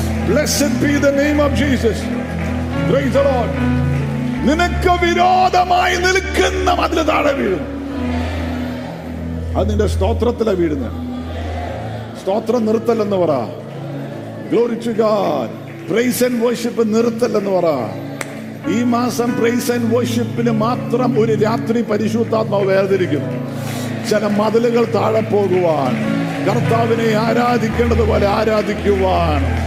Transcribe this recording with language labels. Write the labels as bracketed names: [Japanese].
[English] Blessed be the name of Jesus. Praise the Lord. [Malayalam] നിനക്ക് വിരോധമായി നിൽക്കുന്ന മതിൽ താഴെ വീഴും. അത് നിന്റെ സ്തോത്രത്തിലെ വീഴുന്ന സ്തോത്രം നിർത്തല്ലെന്ന് പറ. [English] Glory to God. [Malayalam] Praise and worship നിർത്തല്ലെന്ന് പറ. ഈ മാസം പ്രൈസ് ആൻഡ് വർഷിപ്പിന് മാത്രം ഒരു രാത്രി പരിശുദ്ധാത്മാവ് വേർതിരിക്കും. ചില മതിലുകൾ താഴെ പോകുവാൻ കർത്താവിനെ ആരാധിക്കേണ്ടത് പോലെ ആരാധിക്കുവാൻ.